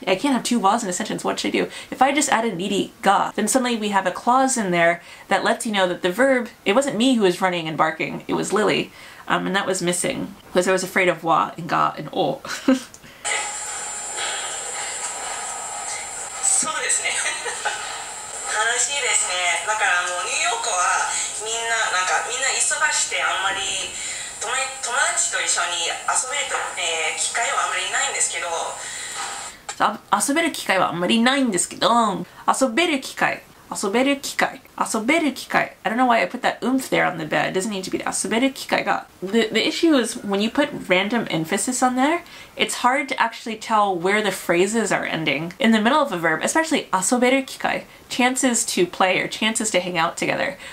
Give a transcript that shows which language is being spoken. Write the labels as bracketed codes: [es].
[en] I can't have two was in a sentence, what should I do? If I just added [ja] リリが, [en] then suddenly we have a clause in there that lets you know that the verb, it wasn't me who was running and barking, it was Lily. And that was missing, because I was afraid of わ and が and お。 [ja] だからもうニューヨークはみんななんかみんな忙しくてあんまり友達と一緒に遊べる、機会はあんまりないんですけど。遊べる機会はあんまりないんですけど。遊べる機会。遊べる機会。遊べる機会。 [en] I don't know why I put that oomph there on the bed. It doesn't need to be there. [ja] 遊べる機会が。 [en] The issue is when you put random emphasis on there, it's hard to actually tell where the phrases are ending. In the middle of a verb, especially [ja] 遊べる機会, [en] chances to play or chances to hang out together.